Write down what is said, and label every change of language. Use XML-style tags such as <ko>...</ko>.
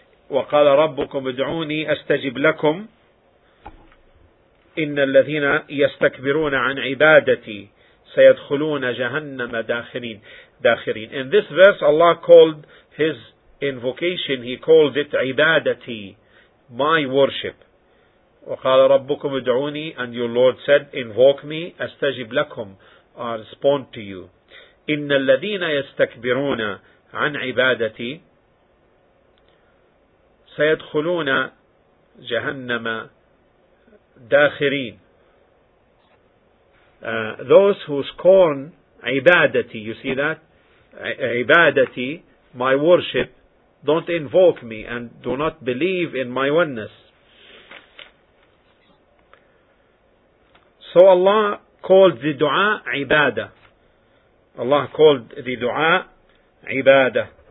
<ar>وقال ربكم ادعوني استجب لكم ان الذين يستكبرون عن عبادتي سيدخلون جهنم داخرين. داخرين.</ar> <en>In this verse Allah called his invocation, he called it عبادتي, my worship.</en> <ar>وقال ربكم ادعوني,</ar> <en>and your Lord said, invoke me, استجب لكم, I respond to you.</en> <ar>ان الذين يستكبرون عن عبادتي سيدخلون جهنم داخرين.</ar> <en>Those who scorn عبادتي, you see that? عبادتي, my worship, don't invoke me and do not believe in my oneness. So Allah called the dua عباده. Allah called the dua عباده.</en>